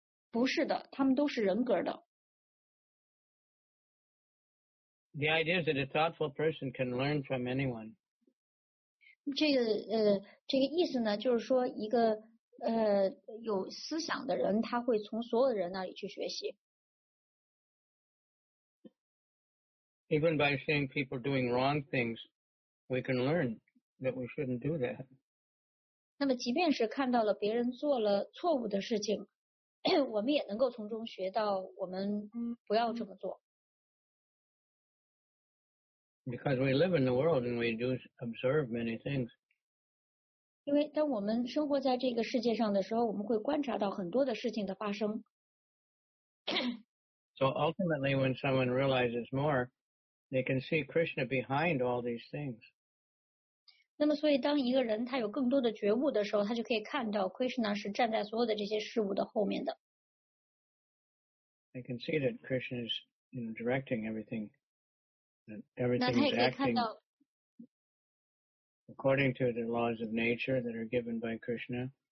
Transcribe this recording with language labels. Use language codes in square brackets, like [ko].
[zh] 不是的，他们都是人格的。 [en] The idea is that a thoughtful person can learn from anyone. [zh] 这个意思呢，就是说一个有思想的人，他会从所有的人那里去学习。 [en] Even by seeing people doing wrong things, we can learn that we shouldn't do that. [zh] 那么即便是看到了别人做了错误的事情，我们也能够从中学到我们不要这么做。 [en] Because we live in the world and we do observe many things. [zh] 因为当我们生活在这个世界上的时候，我们会观察到很多的事情的发生。 [en] So ultimately, when someone realizes more,They can see Krishna behind all these things. [zh] 那么所以当一个人他有更多的觉悟的时候，他就可以看到 Krishna 是站在所有的这些事物的后面的。 [en] They can see that Krishna is directing everything. Everything is acting according to the laws of nature that are given by Krishna.